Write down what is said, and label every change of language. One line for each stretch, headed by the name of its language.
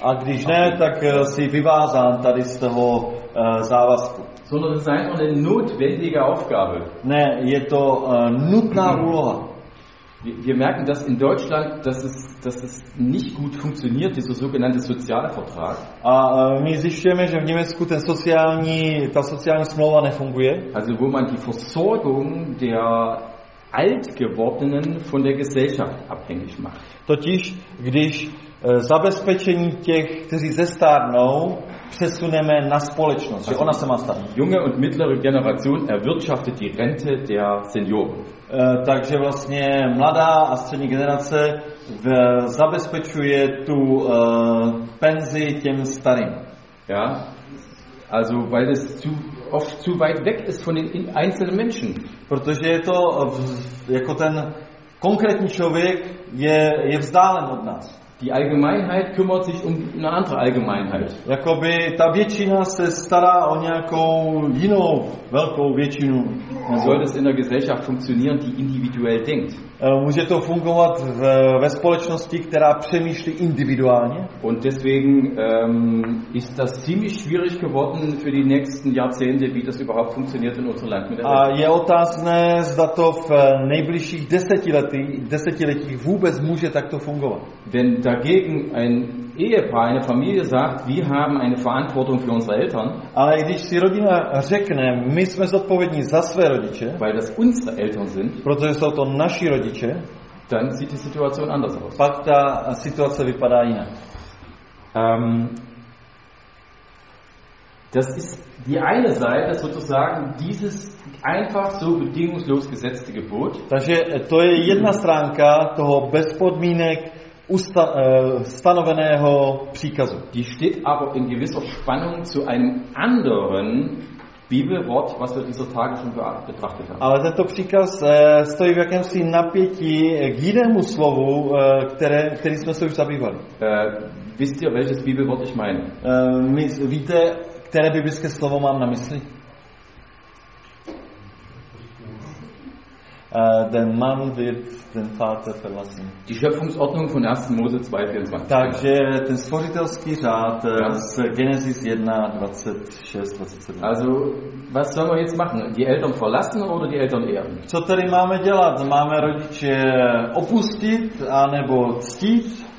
Czech: A když ne, tak si vyvázán tady z toho závazku.
German: Sondern es ist einfach eine notwendige Aufgabe.
Czech: Ne, je to nutná úloha.
German: Wir merken, dass in Deutschland, dass es nicht gut funktioniert, dieser sogenannte Sozialvertrag.
Czech: A my zjišťujeme, že v Německu ta sociální smlouva nefunguje.
German: Also wo man die Versorgung der Altgewordenen von der Gesellschaft abhängig macht.
Czech: Totiž, když zabezpečení těch, kteří zestárnou, přesuneme na společnost, že ona se má starat.
German: Junge und mittlere Generation erwirtschaftet die Rente der Senioren.
Czech: Takže vlastně mladá a střední generace zabezpečuje tu penzi těm starým.
German: Ja, also weil es zu oft zu weit weg ist von den einzelnen Menschen.
Czech: Protože je to jako ten konkrétní člověk je vzdálen od nás.
German: Die Allgemeinheit kümmert sich um eine andere Allgemeinheit.
Czech: Jakoby ta většina se stará o nějakou jinou velkou většinu.
German: Soll das in der Gesellschaft funktionieren, die individuell denkt?
Czech: Může to fungovat ve společnosti, která přemýšlí individuálně?
German: Und deswegen ist das ziemlich schwierig geworden für die nächsten Jahrzehnte, wie das überhaupt funktioniert in unserem Land.
Czech: A je otázné, zda to v nejbližších desetiletích vůbec může takto fungovat.
German: Wenn dagegen ein Ehepaar, eine Familie sagt, wir haben eine Verantwortung für unsere Eltern.
Czech: Ale když si rodina řekne, my jsme zodpovědní za své rodiče,
German: weil das unsere Eltern sind,
Czech: protože jsou to naši rodiče,
German: dann sieht die Situation anders aus.
Czech: Pak ta situace vypadá jinak.
German: Das ist die eine Seite, sozusagen dieses einfach so bedingungslos gesetzte Gebot.
Czech: Takže to je jedna stránka toho bez podmínek stanoveného příkazu.
German: Die steht aber in gewisser Spannung zu einem anderen Bibelwort, was wir dieser Tage schon betrachtet haben.
Czech: Ale tento příkaz stojí v jakémsi napětí k jinému slovu, který jsme se už zabývali.
German: Wisst ihr, welches Bibelwort ich meine?
Czech: Víte, které biblické slovo mám na mysli?
German: Der Mann wird den Vater verlassen. Die Schöpfungsordnung von 1. Mose 2:24.
Czech: Takže ten stvořitelský řád z Genesis 1:26-27.
German: Also, was sollen wir jetzt machen? Die Eltern verlassen oder die Eltern ehren?
Czech: Co tedy máme dělat? Máme rodiče opustit anebo ctít?